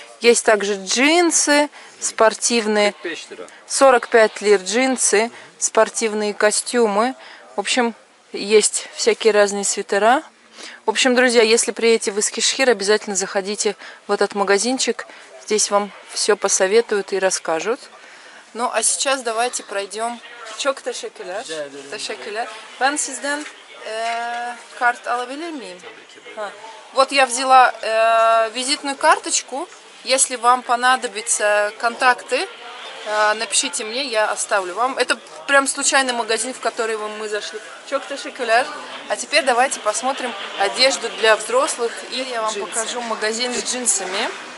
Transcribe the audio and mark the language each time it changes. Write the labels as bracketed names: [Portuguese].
[Russian] Есть также джинсы спортивные. 45 лир джинсы, спортивные костюмы. В общем, есть всякие разные свитера. В общем, друзья, если приедете в Эскишехир, обязательно заходите в этот магазинчик. Здесь вам все посоветуют и расскажут. Ну, а сейчас давайте пройдем. [Turkish] Çok teşekkürler. Teşekkürler. Ben sizden kart alabilir miyim? [Russian] Вот я взяла визитную карточку. Если вам понадобятся контакты, напишите мне, я оставлю вам. Это прям случайный магазин, в который мы зашли. [Turkish] Çok teşekkürler. [Russian] А теперь давайте посмотрим одежду для взрослых. И я вам покажу магазин с джинсами.